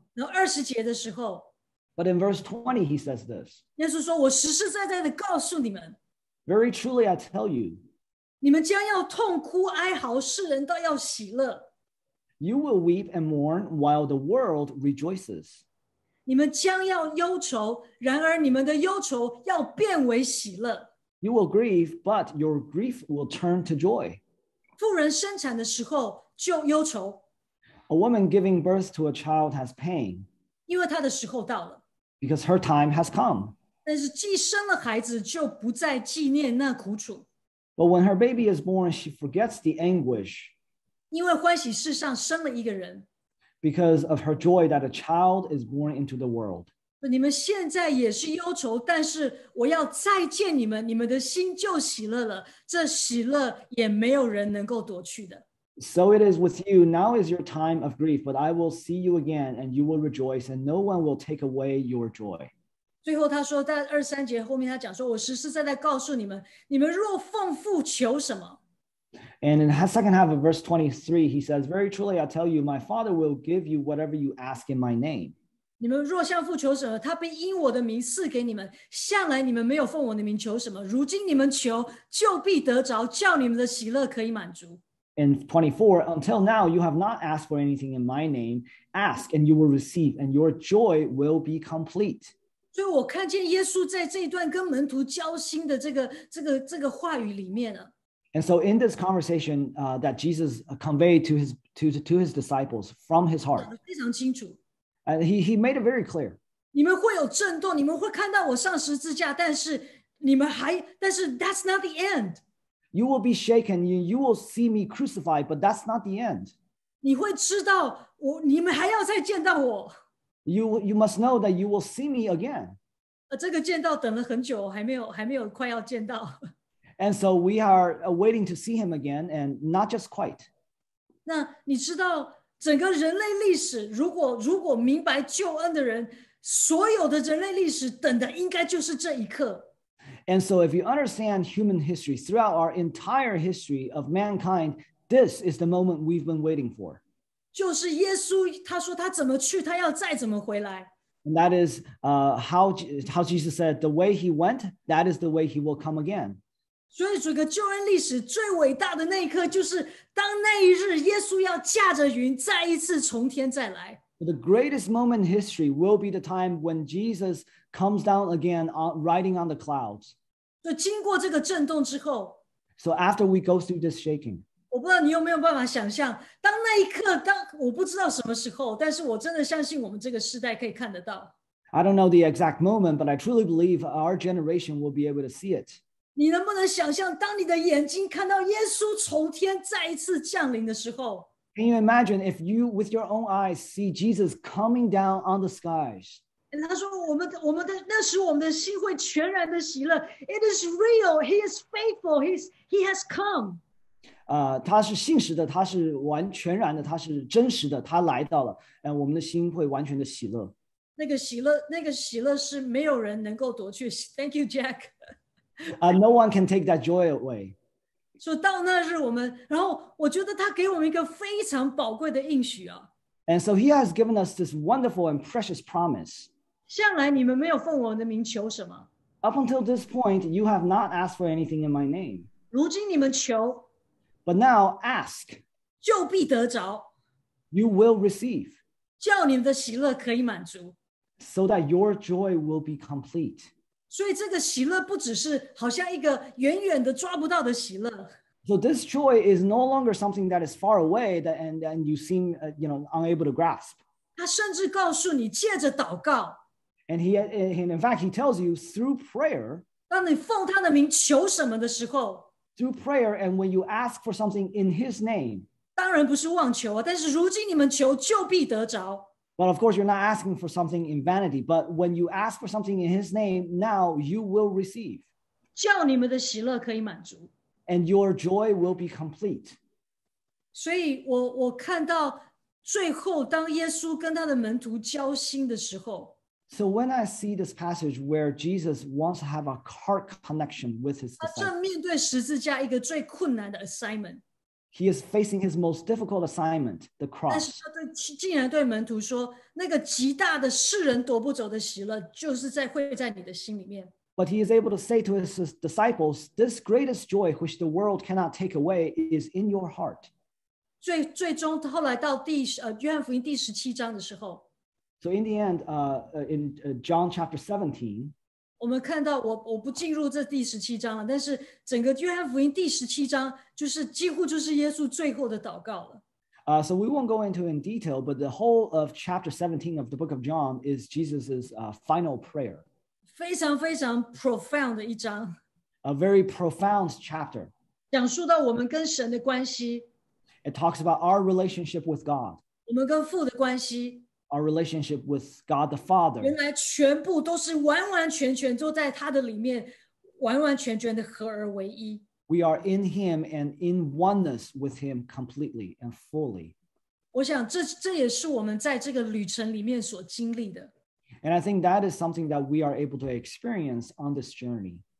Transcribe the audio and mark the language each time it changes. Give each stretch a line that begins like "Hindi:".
Chinese: 然后20节的时候。
English: But in verse 20, he says this.
Chinese: 耶稣说，我实实在在地告诉你们。
English: Very truly, I tell you.
Chinese: 你们将要痛哭哀嚎，世人倒要喜乐。
English: You will weep and mourn while the world rejoices.
Chinese: 你们将要忧愁，然而你们的忧愁要变为喜乐。
English: You will grieve, but your grief will turn to joy.
Chinese: 妇人生产的时候就忧愁。
English: A woman giving birth to a child has pain.
Chinese: 因为她的时候到了。
English: Because her time has come.
Chinese: 但是既生了孩子，就不再纪念那苦楚。
English: But when her baby is born, she forgets the anguish.
Chinese: 因为欢喜世上生了一个人。
English: Because of her joy that a child is born into the world.
Chinese: 你们现在也是忧愁，但是我要再见你们，你们的心就喜乐了，这喜乐也没有人能够夺去的。
English: So it is with you, now is your time of grief, but I will see you again, and you will rejoice, and no one will take away your joy.
Chinese: 最后他说，在二十三节后面他讲说，我实实在在告诉你们，你们若奉父求什么。
English: And in the second half of verse 23, he says, Very truly, I tell you, my Father will give you whatever you ask in my name.
Chinese: 你们若向父求什么，他必因我的名赐给你们。向来你们没有奉我的名求什么，如今你们求，就必得着，叫你们的喜乐可以满足。
English: In 24, until now, you have not asked for anything in my name. Ask, and you will receive, and your joy will be complete.
Chinese: 所以我看见耶稣在这一段跟门徒交心的这个话语里面呢。
English: And so in this conversation that Jesus conveyed to his disciples from his heart,
Chinese: 非常清楚。
English: And he made it very clear.
Chinese: 你们会有震动，你们会看到我上十字架，但是
English: that's not the end. You will be shaken, you will see me crucified, but that's not the end.
Chinese: 你会知道我，你们还要再见到我。
English: You must know that you will see me again.
Chinese: 这个见到等了很久，还没有快要见到。
English: And so we are waiting to see him again, and not just quite.
Chinese: 那你知道整个人类历史，如果明白救恩的人，所有的人类历史等的应该就是这一刻。
English: And so if you understand human history, throughout our entire history of mankind, this is the moment we've been waiting for.
Chinese: 就是耶稣，他说他怎么去，他要再怎么回来。
English: And that is how Jesus said, the way he went, that is the way he will come again.
Chinese: 所以整个救恩历史最伟大的那一刻就是当那一日耶稣要驾着云再一次从天再来。
English: The greatest moment in history will be the time when Jesus comes down again riding on the clouds.
Chinese: 所以经过这个震动之后。
English: So after we go through this shaking.
Chinese: 我不知道你有没有办法想象当那一刻当我不知道什么时候但是我真的相信我们这个时代可以看得到。
English: I don't know the exact moment, but I truly believe our generation will be able to see it.
Chinese: 你能不能想象，当你的眼睛看到耶稣从天再一次降临的时候
English: ？Can you imagine if you, with your own eyes, see Jesus coming down on the skies？
Chinese: 他说我们的那时我们的心会全然的喜乐。
English: It is real. He is faithful. He has come.
Chinese: 他是信实的，他是完全然的，他是真实的，他来到了，我们的心会完全的喜乐。那个喜乐是没有人能够夺去。
English: Thank you, Jack. No one can take that joy away.
Chinese: So 到那日我们，然后我觉得他给我们一个非常宝贵的应许啊。
English: And so he has given us this wonderful and precious promise.
Chinese: 向来你们没有奉我的名求什么。
English: Up until this point, you have not asked for anything in my name.
Chinese: 如今你们求。
English: But now ask.
Chinese: 就必得着。
English: you will receive.
Chinese: 叫你的喜乐可以满足。
English: So that your joy will be complete.
Chinese: 所以这个喜乐不只是好像一个远远的抓不到的喜乐。
English: So this joy is no longer something that is far away that, and you seem you know, unable to grasp.
Chinese: 他甚至告诉你借着祷告。
English: And, he, and in fact, he tells you through prayer,
Chinese: 当你奉他的名求什么的时候,
English: through prayer and when you ask for something in his name,
Chinese: 当然不是妄求啊,但是如今你们求就必得着。
English: But of course, you're not asking for something in vanity, but when you ask for something in his name, now you will receive.
Chinese: 叫你们的喜乐可以满足。
English: And your joy will be complete.
Chinese: 所以我看到最后当耶稣跟他的门徒交心的时候,
English: So when I see this passage where Jesus wants to have a heart connection with his disciples,
Chinese: 他正面对十字架一个最困难的 assignment.
English: He is facing his most difficult assignment, the cross.
Chinese: 但是他对竟然对门徒说，那个极大的世人夺不走的喜乐，就是在会在你的心里面。
English: But he is able to say to his disciples, this greatest joy which the world cannot take away is in your heart.
Chinese: 最终后来到约翰福音第十七章的时候。
English: So in the end, in John chapter 17,
Chinese: 我们看到我不进入这第十七章了，但是整个约翰福音第十七章就是几乎就是耶稣最后的祷告了。
English: So we won't go into it in detail, but the whole of chapter 17 of the book of John is Jesus's final prayer.
Chinese: 非常非常 profound 的一章。
English: A very profound chapter.
Chinese: 讲述到我们跟神的关系。
English: It talks about our relationship with God.
Chinese: 我们跟父的关系。
English: Our relationship with God the Father.
Chinese: 原来全部都是完完全全都在他的里面，完完全全的合而为一。
English: We are in Him and in oneness with Him completely and fully.
Chinese: 我想这也是我们在这个旅程里面所经历的。
English: And I think that is something that we are able to experience on this journey.